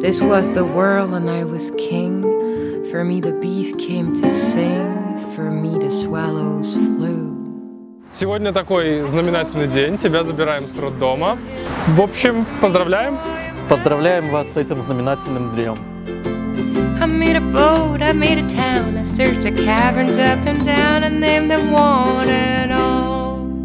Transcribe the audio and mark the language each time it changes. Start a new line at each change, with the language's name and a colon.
English: This was the world and I was king. For me the bees came to sing. For me the swallows flew.
Russian: Сегодня такой знаменательный день. Тебя забираем с роддома. В общем, поздравляем. Поздравляем вас с этим знаменательным днем.
English: I made a boat, I made a town. I searched the caverns up and down and named them one and all.